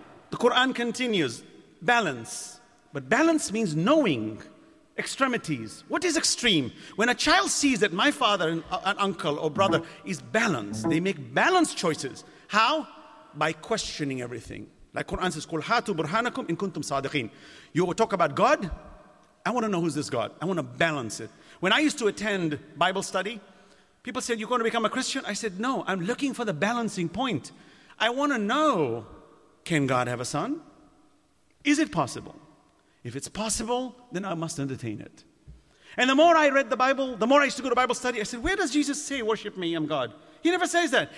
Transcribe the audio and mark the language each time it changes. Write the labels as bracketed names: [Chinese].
[English] The Quran continues. Balance. But balance means knowing extremities. What is extreme? When a child sees that my father, an uncle or brother is balanced, they make balanced choices. How? By questioning everything. Like Quran says, [Arabic] قُلْ هَاتُوا بُرْهَانَكُمْ إِن كُنْتُمْ صَادِقِينَ. [English] You talk about God? I want to know who's this God. I want to balance it. When I used to attend Bible study, people said, you're going to become a Christian? I said, no, I'm looking for the balancing point. I want to know, can God have a son? Is it possible? If it's possible, then I must entertain it. And the more I read the Bible, the more I used to go to Bible study, I said, where does Jesus say, worship me, I'm God? He never says that.